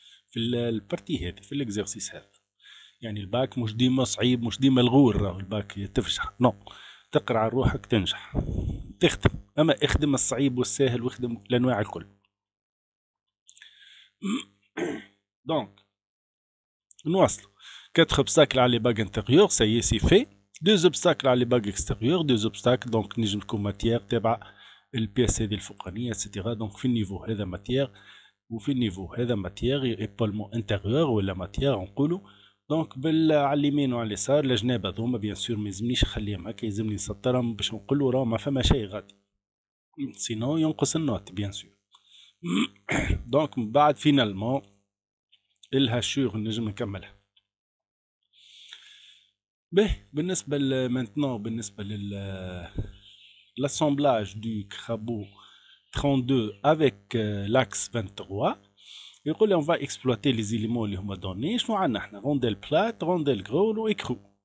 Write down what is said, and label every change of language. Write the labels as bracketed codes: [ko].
[ar] في البارتي هذه في الاكزرسيس هذا يعني الباك مش ديما صعيب مش ديما الغور الباك تفشح نو تقرع روحك تنجح تخدم اما اخدم الصعيب والسهل واخدم الانواع الكل دونك نواصلوا [fr] Quatre obstacles à les bagues intérieures, ça y est, c'est fait. Deux obstacles à les bagues extérieures, deux obstacles, donc, nijm comme matière, teba, le PSD, le Foukani, etc. Donc, fin niveau, et la matière, [ar] وفي النيفو هذا ماتيير ايبولمون انتيغور ولا ماتيير نقولوا. دونك على اليمين وعلى اليسار الجناب هذوما بيان سور ما يلزمنيش نخليهم هكا، يلزمني نسطرهم باش نقول له راه ما فما شيء غادي، سينو ينقص النوت بيان سور. دونك من بعد فينالمون الهاشور نجم نكملها. به بالنسبه لمانتنو بالنسبه لل لاسامبلاج دو كرابو 32 [fr] avec l'axe 23. Il dit on va exploiter les éléments qui sont donnés. Nous avons rondelle plate, rondelle grosse ou écrou.